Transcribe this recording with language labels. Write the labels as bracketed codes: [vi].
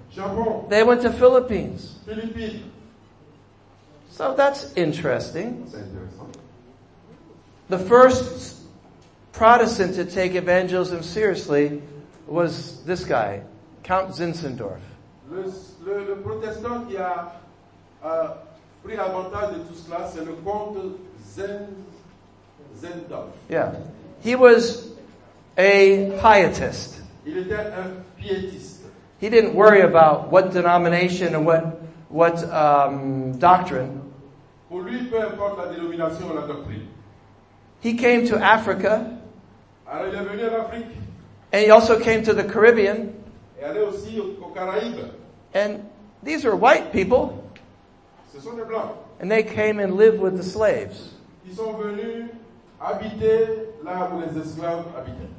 [fr] Japon. [en] They went to Philippines. [fr] Philippines. [en] So that's interesting. [fr] C'est intéressant. [en] The first Protestant to take evangelism seriously was this guy, Count Zinzendorf. [fr] Le protestant qui a pris avantage de tout cela, c'est le comte Zinzendorf. [en] Yeah. He was a pietist. [fr] Il était un pietiste. [en] He didn't worry about what denomination and what doctrine. [fr] Pour lui, peu importe la dénomination ou la doctrine. [en] He came to Africa. [fr] Alors, il est venu en Afrique. [en] And he also came to the Caribbean. [fr] Et allait aussi aux Caraïbes. [en] And these were white people. [fr] Ce sont des blancs. [en] And they came and lived with the slaves. [fr] Ils sont venus habiter là où les esclaves habitaient.